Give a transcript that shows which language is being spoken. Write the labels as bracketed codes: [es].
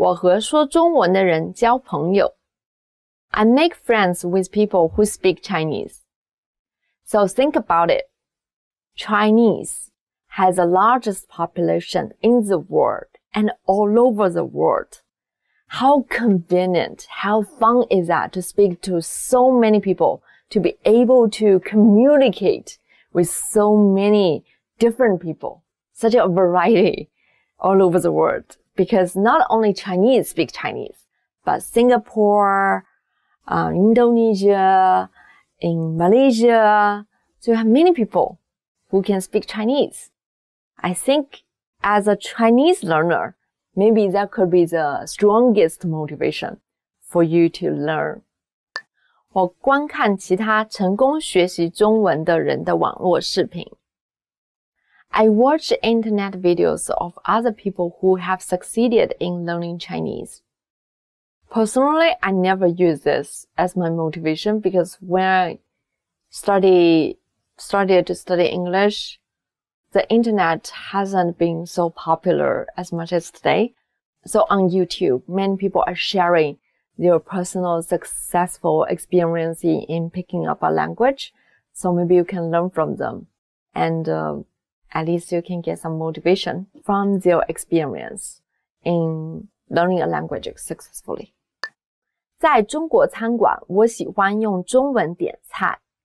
[zh] 我和说中文的人交朋友。 [en] I make friends with people who speak Chinese. So think about it. Chinese has the largest population in the world and all over the world. How convenient, how fun is that to speak to so many people, to be able to communicate with so many different people, such a variety all over the world. because not only Chinese speak Chinese, but Singapore, Indonesia, in Malaysia, so you have many people who can speak Chinese. I think as a Chinese learner, maybe that could be the strongest motivation for you to learn. [zh] 我观看其他成功学习中文的人的网络视频。 [en] I watch internet videos of other people who have succeeded in learning Chinese. Personally, I never use this as my motivation because when I started to study English, the internet hasn't been so popular as much as today. So on YouTube, many people are sharing your personal successful experience in picking up a language. So maybe you can learn from them. And at least you can get some motivation from their experience in learning a language successfully. [zh] 在中国餐馆，我喜欢用中文点菜。